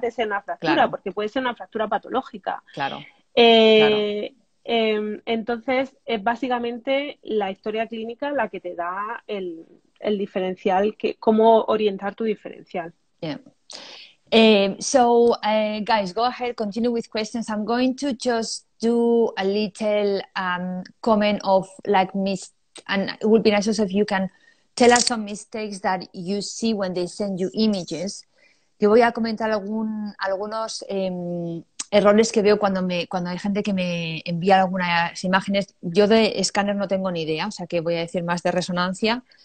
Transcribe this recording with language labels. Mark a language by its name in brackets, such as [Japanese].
[Spanish] de ser una fractura, claro, porque puede ser una fractura patológica. claro, claro. Entonces, es básicamente la historia clínica la que te da el diferencial, cómo orientar tu diferencial. [English] Guys, go ahead, continue with questions. I'm going to just do a little comment of like mist, and it would be nice also if you can tell us some mistakes that you see when they send you images. [Spanish] Yo voy a comentar algunos errores que veo cuando hay gente que me envía algunas imágenes. Yo de escáner no tengo ni idea, o sea que voy a decir más de resonancia.